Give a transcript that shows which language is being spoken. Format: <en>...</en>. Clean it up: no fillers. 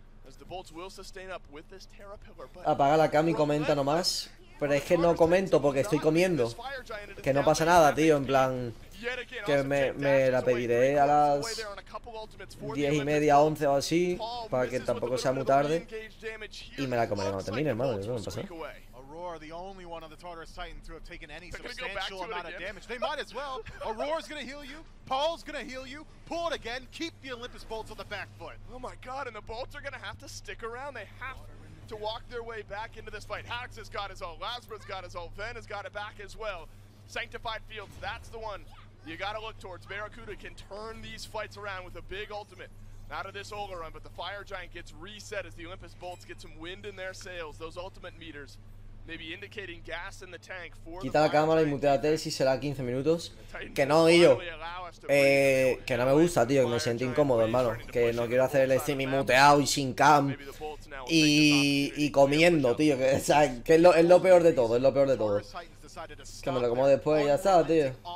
<en>As the bolts will sustain up with this Terra Pillar, but...</en> <es>Apaga la cam y comenta nomás. Pero es que no comento porque estoy comiendo. Que no pasa nada, tío. En plan, que me la pediré a las 10:30, 11 o así. Para que tampoco sea muy tarde. Y me la comeré cuando termine, hermano. Eso no pasa.</es> <en>Aurora, the only one on the Tartarus Titan to have taken any substantial amount of damage. They might as well. Aurora's gonna heal you. Paul's gonna heal you. Pull it again. Keep the Olympus bolts on the back foot. Oh my god, and the bolts are gonna have to stick around. They have to walk their way back into this fight. Haddix has got his all, Lazarus got his all, Ven has got it back as well. Sanctified Fields, that's the one you gotta look towards. Barracuda can turn these fights around with a big ultimate out of this Olerun, but the Fire Giant gets reset as the Olympus Bolts get some wind in their sails. Those ultimate meters maybe indicating gas in the tank for</en> <es>quita la cámara y muteate si será 15 minutos. Que no, yo. Que no me gusta, tío. Que me siento incómodo, hermano. Que no quiero hacer el streaming muteado y sin cam. Y comiendo, tío. Que, o sea, que es lo peor de todo. Es lo peor de todo. Que me lo como después y ya está, tío.</es>